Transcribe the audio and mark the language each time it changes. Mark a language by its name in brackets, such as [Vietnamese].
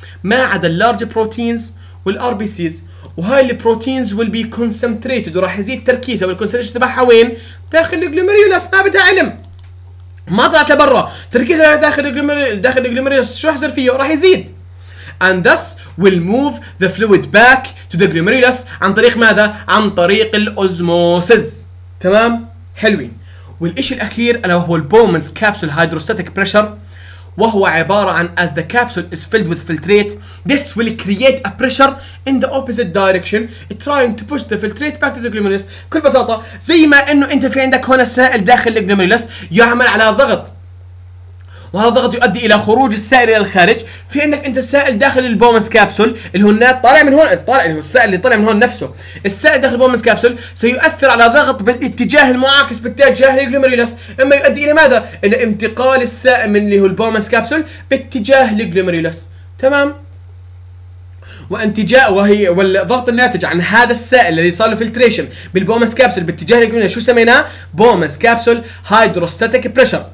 [Arabic] ما عدا اللارج بروتينز والار بي سيز، وهاي البروتينز [English] will be concentrated [Arabic] وراح يزيد تركيزها والكونسنتريشن تبعها وين؟ داخل الجلوميرولس. ما بدها علم، ما طلعت لبرا، تركيزها داخل الجلوميرولس. شو راح يصير فيه؟ راح يزيد [English] and thus will move the fluid back to the glomerulus [Arabic] عن طريق ماذا؟ عن طريق الاوزموسيس، تمام؟ حلوين. والشيء الاخير الا وهو البومنس كابسول هيدروستاتيك بريشر وهو عبارة عن [English] as the capsule is filled with filtrate, this will create a pressure in the opposite direction trying to push the filtrate back to the glomerulus. [Arabic] بكل بساطة زي ما انه انت في عندك هنا سائل داخل الجلوميرولس يعمل على ضغط, وهذا الضغط يؤدي الى خروج السائل الى الخارج. في عندك انت السائل داخل البومنس كابسول اللي هو النات طالع من هون, طالع اللي هو السائل اللي طلع من هون نفسه, السائل داخل البومنس كابسول سيؤثر على ضغط بالاتجاه المعاكس باتجاه الجلوميرولس, اما يؤدي الى ماذا؟ الى انتقال السائل من اللي هو البومنس كابسول باتجاه الجلوميرولس, تمام؟ وانتجاء وهي والضغط الناتج عن هذا السائل الذي صار له فلتريشن بالبومس كابسول باتجاه الجلوميرولس شو سميناه؟ بومس كابسول هيدروستاتيك بريشر.